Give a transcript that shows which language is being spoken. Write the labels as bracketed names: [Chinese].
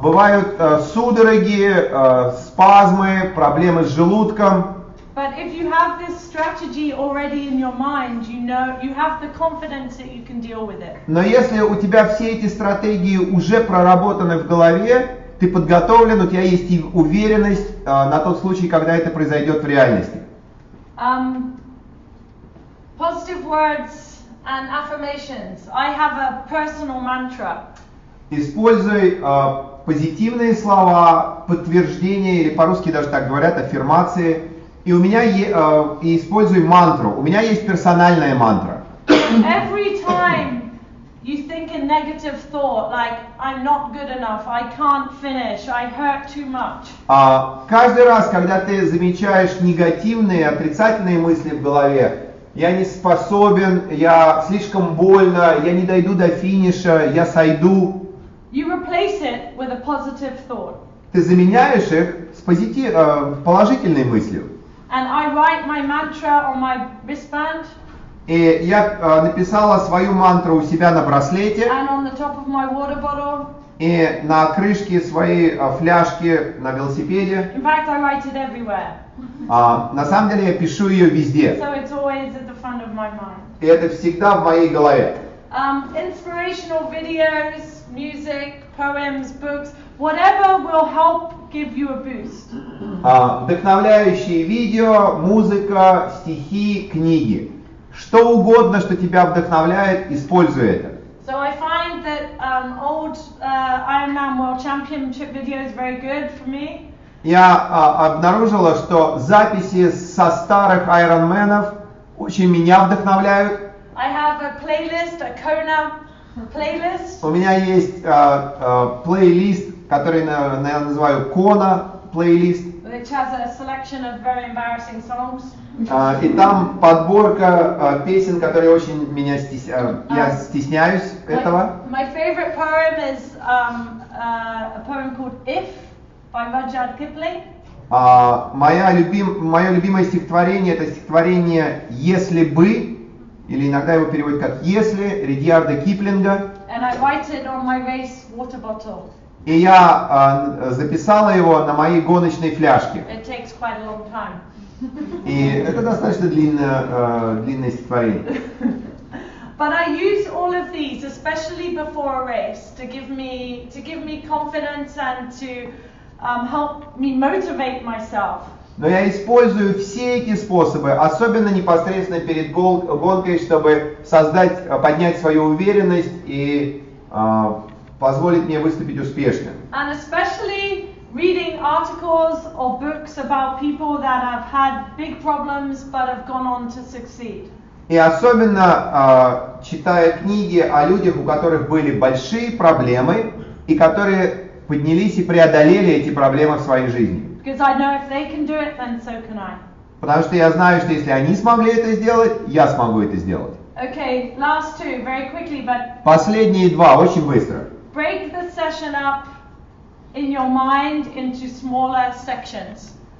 [Russian] Бывают судороги, спазмы, проблемы с желудком. [English] But if you have this strategy already in your mind, you know, you have the confidence that you can deal with it. [Russian] Но если у тебя все эти стратегии уже проработаны в голове, ты подготовлен, у тебя есть и уверенность на тот случай, когда это произойдет в реальности. [English] Positive words and affirmations. I have a personal mantra. [Russian] Используй позитивные слова, подтверждения, или по-русски даже так говорят, аффирмации. И у меня и используй мантру. У меня есть персональная мантра. [English] Every time you think a negative thought, like I'm not good enough, I can't finish, I hurt too much. [Russian] Каждый раз, когда ты замечаешь негативные, отрицательные мысли в голове, я не способен, я слишком больно, я не дойду до финиша, я сойду. [English] You replace it with a positive thought. [Russian] Ты заменяешь их с положительной мыслью. [English] And I write my mantra on my wristband. [Russian] И я написала свою мантру у себя на браслете. [English] And on the top of my water bottle. [Russian] И на крышке своей фляжки на велосипеде. [English] In fact, I write it everywhere. [Russian] На самом деле я пишу ее везде. [English] So it's always at the front of my mind. [Russian] И это всегда в моей голове. [English] Inspirational videos, music, poems, books, whatever will help give you a boost. [Russian] Вдохновляющие видео, музыка, стихи, книги. Что угодно, что тебя вдохновляет, используй это. [English] So I find that old Iron Man World Championship video is very good for me. [Russian] Я обнаружила, что записи со старых Iron Man'ов очень меня вдохновляют. [English] I have a playlist, a Kona playlist. [Russian] У меня есть плейлист, который я называю Kona playlist. [English] Which has a selection of very embarrassing songs. [Russian] И там подборка песен, которые очень меня стесняют. Я стесняюсь этого. [English] My favorite poem is a poem called If by Rudyard Kipling. [Russian] Мое любимое стихотворение — это стихотворение «Если бы», или иногда его переводят как «Если», Рудьярда Киплинга. [English] And I write it on my race water bottle. [Russian] И я записала его на моей гоночной фляжке. [English] It takes quite a long time. [Russian] И это достаточно длинное стихотворение. [English] But I use all of these, especially before a race, to give me confidence and to help me motivate myself. [Russian] Но я использую все эти способы, особенно непосредственно перед гонкой, чтобы поднять свою уверенность и позволить мне выступить успешно. [English] And especially reading articles or books about people that have had big problems but have gone on to succeed. [Russian] И особенно читая книги о людях, у которых были большие проблемы и которые поднялись и преодолели эти проблемы в своей жизни. [English] Because I know if they can do it, then so can I. [Russian] Потому что я знаю, что если они смогли это сделать, я смогу это сделать. [English] Okay, last two, very quickly, but. [Russian] Последние два, очень быстро. [English] Break the session up in your mind into smaller sections.